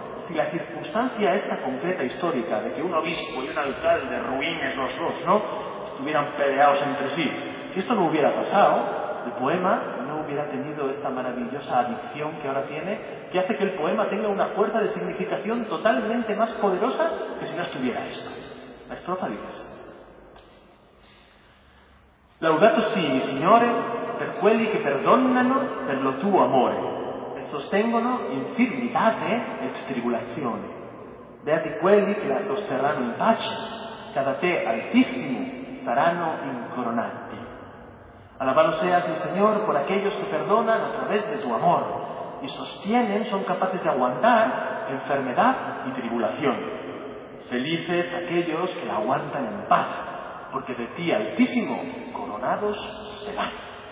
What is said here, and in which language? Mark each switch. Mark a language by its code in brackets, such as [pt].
[es] Si la circunstancia esta concreta histórica de que un obispo y un alcalde ruines los dos, ¿no?, estuvieran peleados entre sí, si esto no hubiera pasado, el poema no hubiera tenido esta maravillosa adicción que ahora tiene, que hace que el poema tenga una fuerza de significación totalmente más poderosa que si no estuviera esto. La estrofa dice así. [it] Laudato si, mi signore, per quelli che perdonano per lo tuo amore, e sostengono infirmitate e tribulazioni. Beati quelli che la sosterranno in pace, che da te altissimi saranno incoronati. [es] Alabado seas, mi Señor, por aquellos que perdonan a través de tu amor y sostienen, son capaces de aguantar enfermedad y tribulación. Felices aquellos que la aguantan en paz, porque de ti, Altísimo, coronados serán.